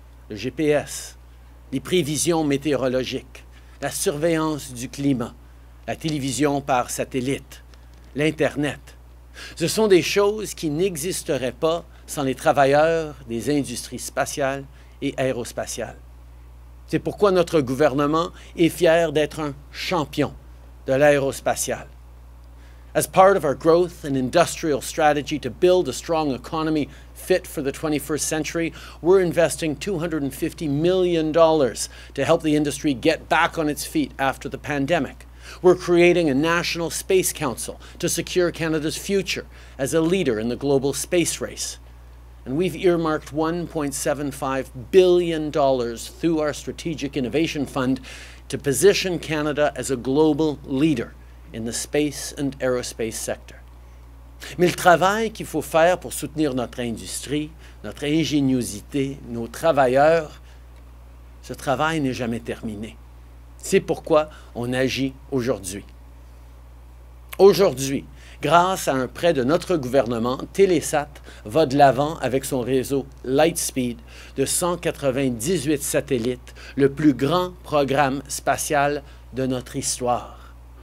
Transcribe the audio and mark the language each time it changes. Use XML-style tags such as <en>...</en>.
<fr>Le GPS, les prévisions météorologiques, la surveillance du climat, la télévision par satellite, l'Internet. Ce sont des choses qui n'existeraient pas sans les travailleurs des industries spatiales et aérospatiales. C'est pourquoi notre gouvernement est fier d'être un champion de l'aérospatial.</fr> <en>As part of our growth and industrial strategy to build a strong economy fit for the 21st century, we're investing $250 million to help the industry get back on its feet after the pandemic. We're creating a National Space Council to secure Canada's future as a leader in the global space race. And we've earmarked $1.75 billion through our Strategic Innovation Fund to position Canada as a global leader in the space and aerospace sector.</en> <fr>Mais le travail qu'il faut faire pour soutenir notre industrie, notre ingéniosité, nos travailleurs, ce travail n'est jamais terminé. C'est pourquoi on agit aujourd'hui. Aujourd'hui, grâce à un prêt de notre gouvernement, Telesat va de l'avant avec son réseau Lightspeed de 198 satellites, le plus grand programme spatial de notre histoire.</fr>